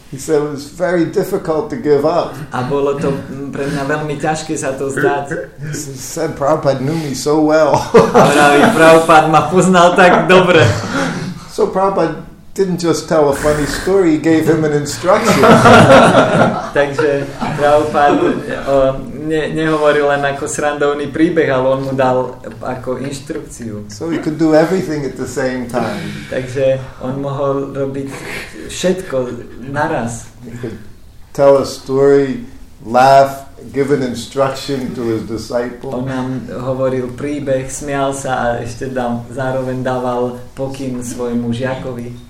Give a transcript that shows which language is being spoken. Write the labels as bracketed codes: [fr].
[en] He said it was very difficult to give up. [sk] A bolo to pre mňa veľmi ťažké sa to zdať. [en] He said Prabhupada knew me so well. [sk] Pravý Prabhupada ma poznal tak dobre. [en] So Prabhupada didn't just tell a funny story, he gave him an instruction. [sk] Takže Prabhupada nehovoril len ako srandovný príbeh, ale on mu dal ako inštrukciu. [en] So he could do everything at the same time. [sk] Takže on mohol robiť všetko naraz. [en] He could tell a story, laugh, give an instruction to his disciple. [sk] On nám hovoril príbeh, smial sa a ešte zároveň dával pokyn svojmu žiakovi.